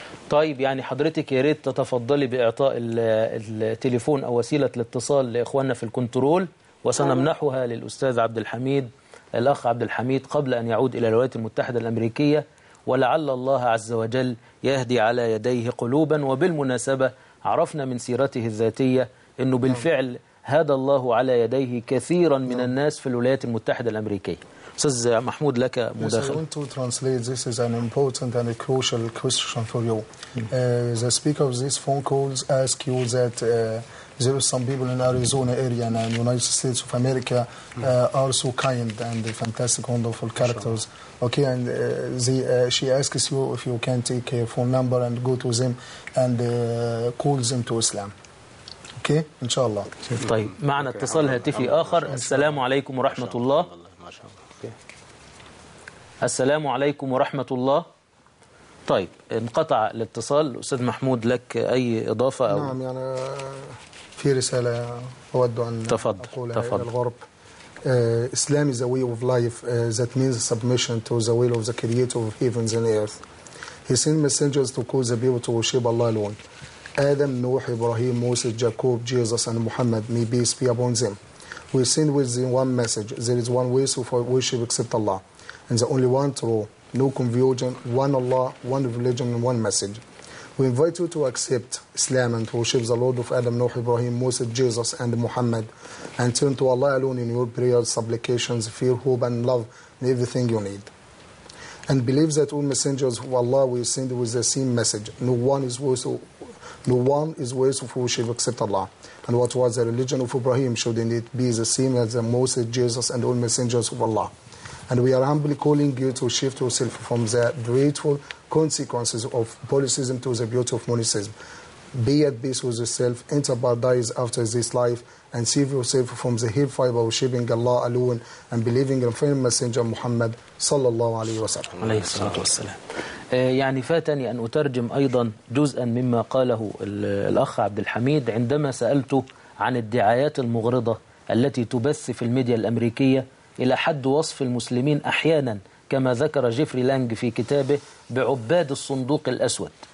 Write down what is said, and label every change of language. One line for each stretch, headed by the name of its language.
Arabic: طيب يعني حضرتك يا ريت تتفضلي بإعطاء التليفون أو وسيلة الاتصال لإخواننا في الكنترول، وسنمنحها للأستاذ عبد الحميد، الأخ عبد الحميد، قبل أن يعود إلى الولايات المتحدة الأمريكية، ولعل الله عز وجل يهدي على يديه قلوبا. وبالمناسبة عرفنا من سيرته الذاتية أنه بالفعل هدى الله على يديه كثيرا من الناس في الولايات المتحدة الأمريكية. أستاذ محمود لك مداخل.
English: I want to translate. This is an important and a crucial question for you. The speaker of these phone calls ask you that there are some people in Arizona area and United States of America are so kind and fantastic, wonderful characters. Sure. Okay, and she asks you if you can take a phone number and go to them and call them to Islam. Okay, inshallah.
Arabic: طيب معنا اتصال هاتفي آخر. السلام عليكم ورحمة الله. السلام عليكم ورحمة الله. طيب انقطع الاتصال. أستاذ محمود لك أي إضافة؟ أو نعم، يعني في رسالة أود أن أقولها إلى الغرب.
English: إسلام is a way of life that means submission to the will of the creator of heavens and earth. He sent messengers to call the people to worship Allah alone. آدم، نوح، إبراهيم، موسى، Jacob, Jesus and محمد، may peace be upon them. We send with the one message. There is one way to worship except Allah. And the only one true, no confusion, one Allah, one religion, and one message. We invite you to accept Islam and worship the Lord of Adam, Noah, Ibrahim, Moses, Jesus, and Muhammad, and turn to Allah alone in your prayers, supplications, fear, hope, and love, and everything you need. And believe that all messengers of Allah will send with the same message. No one is worthy of worship except Allah. And what was the religion of Ibrahim should indeed be the same as the Moses, Jesus, and all messengers of Allah. And we are humbly calling you to shift yourself from the dreadful consequences of polycism to the beauty of monism. Be at peace with yourself, enter paradise after this life, and save yourself from the hellfire of worshipping Allah alone and believing in the famous messenger Muhammad sallallahu alayhi wa sallam.
Arabic: عليه الصلاة والسلام. يعني فاتني أن أترجم أيضا جزءا مما قاله الأخ عبد الحميد عندما سألته عن الدعايات المغرضة التي تبث في الميديا الأمريكية إلى حد وصف المسلمين أحيانا كما ذكر جيفري لانج في كتابه بعباد الصندوق الأسود.